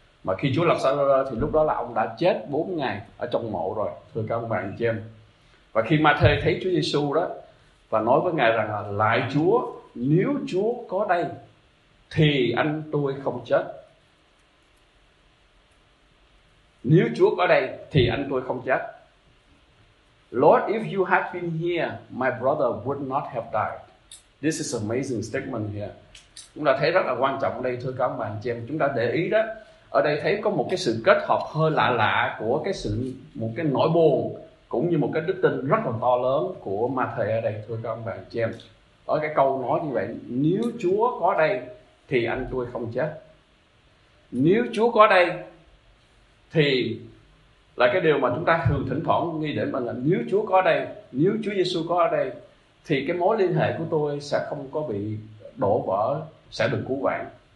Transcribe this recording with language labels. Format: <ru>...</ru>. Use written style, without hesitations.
<vi>Mà khi Chúa gặp Lazarus thì lúc đó là ông đã chết 4 ngày ở trong mộ rồi. Thưa các ông bà anh chị em. Và khi Ma-thê thấy Chúa Giêsu đó và nói với Ngài rằng là lại Chúa, nếu Chúa có đây thì anh tôi không chết. Nếu Chúa có đây thì anh tôi không chết.</vi> <en>Lord, if you had been here, my brother would not have died. This is amazing statement here.</en> <vi>Chúng ta thấy rất là quan trọng đây. Thưa các ông bà anh chị em, chúng ta để ý đó, ở đây thấy có một cái sự kết hợp hơi lạ lạ của cái sự một cái nỗi buồn cũng như một cái đức tin rất là to lớn của Ma Thầy ở đây. Thưa các ông bà chị em, ở cái câu nói như vậy, nếu Chúa có đây thì anh tôi không chết, nếu Chúa có đây thì là cái điều mà chúng ta thường thỉnh thoảng nghĩ đến, mà là nếu Chúa có đây, nếu Chúa Giêsu có ở đây thì cái mối liên hệ của tôi sẽ không có bị đổ vỡ, sẽ được cứu vãn.</vi>